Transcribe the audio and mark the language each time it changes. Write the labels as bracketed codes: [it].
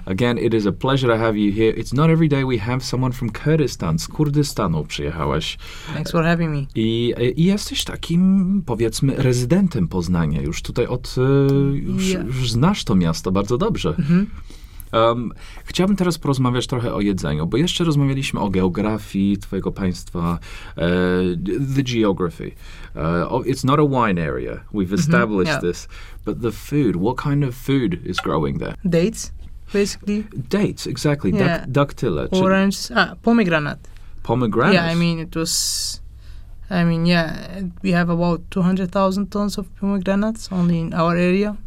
[en] Again, it is a pleasure to have you here. It's not every day we have someone from Kurdistan. [pl] Z Kurdystanu przyjechałeś. [en] Thanks for having me. [pl] I jesteś takim, powiedzmy, rezydentem Poznania. Już tutaj od... Już znasz to miasto bardzo dobrze. Mm-hmm. Chciałbym teraz porozmawiać trochę o jedzeniu, bo jeszcze rozmawialiśmy o geografii twojego państwa, [en] the geography. It's not a wine area. We've established this. But the food, what kind of food is growing there? Dates, basically. Dates, exactly. Yeah. Dactyla. Orange, pomegranate. Pomegranate? Yeah, I mean, it was... I mean, yeah, we have about 200,000 tons of pomegranates only in our area.